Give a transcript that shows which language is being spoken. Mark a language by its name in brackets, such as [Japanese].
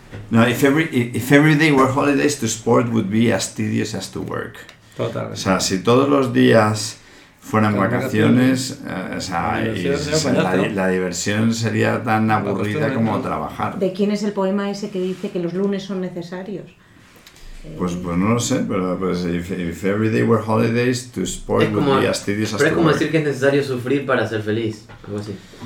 [English] No, if every day were holidays, to sport would be as tedious as to work. [Spanish] Total. O sea, si todos los días fueran vacaciones, o sea, la diversión sería tan aburrida como trabajar. ¿De quién es el poema ese que dice que los lunes son necesarios? Pues no lo sé, pero pues, [English] if every day were holidays, to sport would be as tedious as to work. [Spanish] Es como decir que es necesario sufrir para ser feliz, algo así.